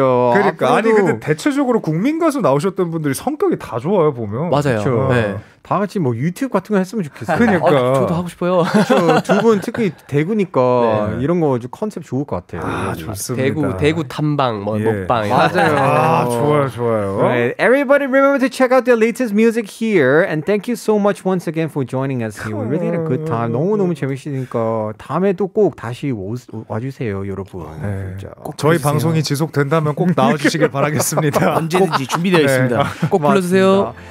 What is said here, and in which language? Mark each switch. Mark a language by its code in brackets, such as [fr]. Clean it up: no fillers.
[ko] 그러니까 아니 근데 대체적으로 국민 가수 나오셨던 분들이 성격이 다 좋아요 보면. 맞아요. 그렇죠? 네. 다 같이 뭐 유튜브 같은 거 했으면 좋겠어요. 그러니까 저도 하고 싶어요. 두 분 특히 대구니까 네. 이런 거 좀 컨셉 좋을 것 같아요. 아 좋습니다. 대구 탐방 뭐 예. 먹방. 맞아요. 아 좋아요 좋아요. [en] Right. Everybody remember to check out their latest music here and thank you so much once again for joining us. We really had a good time. [ko] 너무 너무 재밌으니까 다음에 또 꼭 다시 와주세요 여러분. 네. 진짜. 꼭 저희 방송이 지속된다면 꼭 나와주시길 바라겠습니다. 언제든지 준비되어 있습니다. 네. 꼭 불러주세요.